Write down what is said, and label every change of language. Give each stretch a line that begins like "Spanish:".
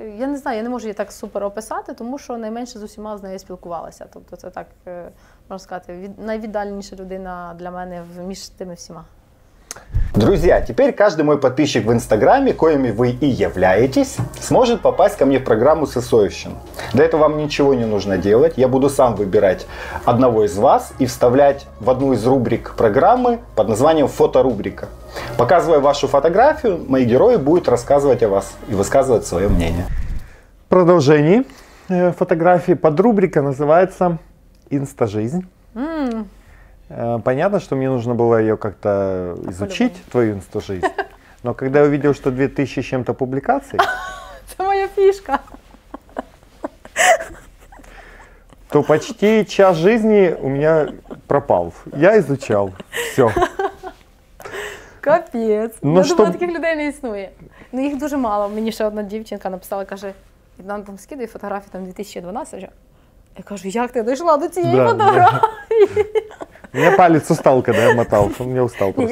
Ukrainian: Я не знаю, я не можу її так супер описати, тому що найменше з усіма з нею спілкувалися. Тобто це так, можна сказати, найвіддаленіша людина для мене між тими всіма.
Russian: Друзья, теперь каждый мой подписчик в Инстаграме, коими вы и являетесь, сможет попасть ко мне в программу «Сысоевщина». Для этого вам ничего не нужно делать. Я буду сам выбирать одного из вас и вставлять в одну из рубрик программы под названием «Фоторубрика». Показывая вашу фотографию, мои герои будут рассказывать о вас и высказывать свое мнение. Продолжение фотографии. Подрубрика называется «Инстажизнь». Понятно, что мне нужно было ее как-то изучить, твою инстажизнь. Но когда я увидел, что 2000 с чем-то публикаций... Это моя фишка. То почти час жизни у меня пропал. Я изучал. Все. Капец. Но что...
Ukrainian: думала, таких людей не існує. Ну, их дуже мало. Мені ще одна дівчинка написала, каже, нам там скидай фотографії там 2012. Я кажу, як ти дійшла до цієї фотографії? У мене палець устав, коли я мотав, у мене устав просто.